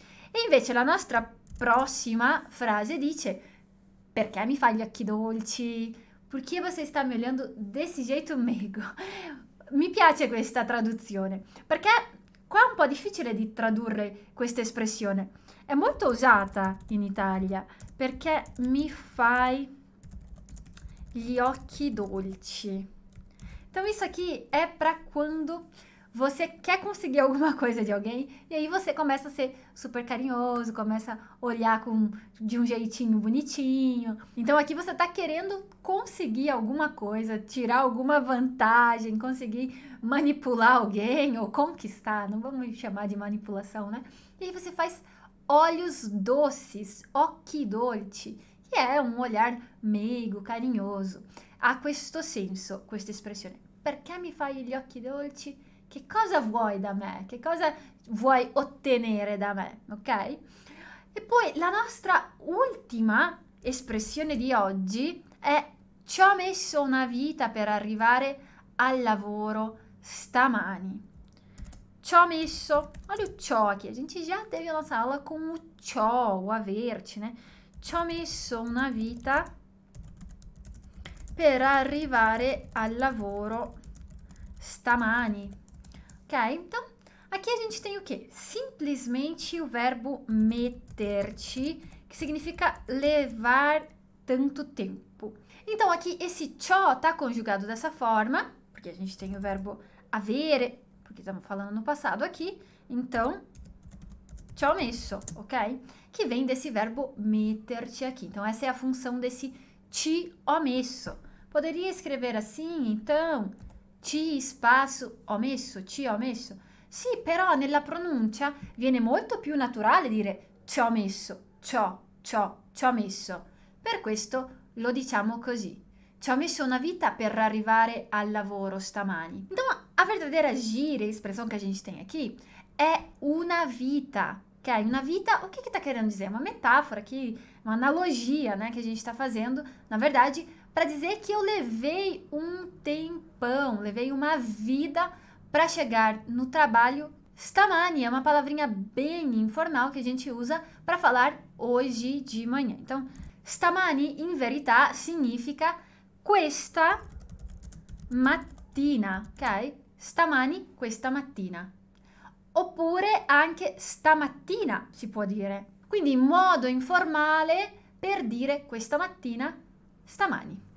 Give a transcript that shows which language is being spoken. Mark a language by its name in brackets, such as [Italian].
[Italian] E invece la nostra prossima frase dice: perché mi fai gli occhi dolci? Perché [Portuguese] você está me olhando desse jeito meigo? [Italian] Mi piace questa traduzione, perché qua è un po' difficile di tradurre questa espressione. È molto usata in Italia, perché mi fai gli occhi dolci. [Portuguese] Então isso aqui é para quando você quer conseguir alguma coisa de alguém e aí você começa a ser super carinhoso, começa a olhar de um jeitinho bonitinho. Então aqui você está querendo conseguir alguma coisa, tirar alguma vantagem, conseguir manipular alguém ou conquistar, não vamos chamar de manipulação, né? E aí você faz olhos doces, [Italian] occhi dolci, [Portuguese] que é um olhar meigo, carinhoso. [Italian] Há questo senso, questa espressione. Perché mi fai gli occhi dolci? Che cosa vuoi da me? Che cosa vuoi ottenere da me? Ok? E poi la nostra ultima espressione di oggi è: ci ho messo una vita per arrivare al lavoro stamani. Ci ho messo. [Portuguese] Olha o ciò qui. A gente già teve la sala con o ciò, o averci, né? [Italian] Ci ho messo una vita per arrivare al lavoro stamani. Ok? [Portuguese] Então, aqui a gente tem o quê? Simplesmente o verbo meterci, que significa levar tanto tempo. Então, aqui esse ciò tá conjugado dessa forma, porque a gente tem o verbo avere, porque estamos falando no passado aqui. Então, [Italian] ci ho messo, [Portuguese] ok? Que vem desse verbo meterci aqui. Então, essa é a função desse [Italian] ci ho messo. [Portuguese] Poderia escrever assim, então: [Italian] ci spasso, ho messo, ci ho messo. Sì, però nella pronuncia viene molto più naturale dire ci ho messo, ci ho messo. Per questo lo diciamo così. Ci ho messo una vita per arrivare al lavoro stamani. [Portuguese] Então, a A verdadeira gíria, a expressão que a gente tem aqui, é una vita. Que é, [Italian] una vita, [Portuguese] o que que tá querendo dizer? Uma metáfora aqui, uma analogia, né, que a gente tá fazendo, na verdade, para dizer que eu levei um tempão, levei uma vida para chegar no trabalho. Stamani é uma palavrinha bem informal que a gente usa para falar hoje de manhã. Então, [Italian] stamani, in verità, significa questa mattina, ok? Stamani, questa mattina. Oppure anche stamattina si può dire. Quindi, modo informale per dire questa mattina, stamani.